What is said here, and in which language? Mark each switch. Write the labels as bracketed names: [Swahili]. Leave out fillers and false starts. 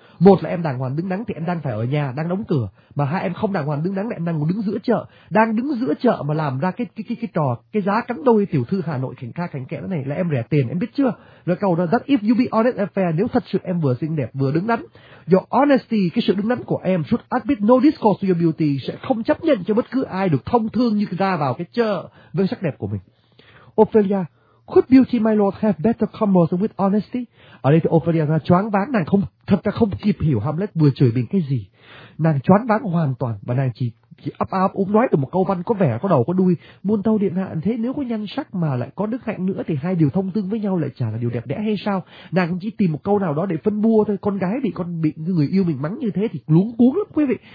[Vietnamese] Một là em đàng hoàng đứng đắn thì em đang phải ở nhà, đang đóng cửa, mà hai em không đàng hoàng đứng đắn thì em đang đứng giữa chợ, mà làm ra cái trò cái giá cắn đôi tiểu thư Hà Nội khỉnh ca khỉnh kẽ này là em rẻ tiền, em biết chưa? Rồi câu đó, [English] that if you be honest and fair, [Vietnamese] nếu thật sự em vừa xinh đẹp vừa đứng đắn, [English] your honesty, [Vietnamese] cái sự đứng đắn của em [English] should admit no discourse to your beauty, [Vietnamese] sẽ không chấp nhận cho bất cứ ai được thông thương như ra vào cái chợ với sắc đẹp của mình. [English] Ophelia, could beauty, my lord, have better commerce with honesty? [Vietnamese] Ở đây thì Ophelia là choáng váng, nàng không, thật ra không kịp hiểu Hamlet vừa chửi mình cái gì. Nàng choáng váng hoàn toàn và nàng chỉ ấp áp úng nói được một câu văn có vẻ có đầu có đuôi. Muôn thâu điện hạ, thế nếu có nhan sắc mà lại có đức hạnh nữa thì hai điều thông tương với nhau lại chả là điều đẹp đẽ hay sao? Nàng chỉ tìm một câu nào đó để phân bua thôi. Con gái bị người yêu mình mắng như thế thì luống cuống lắm quý vị.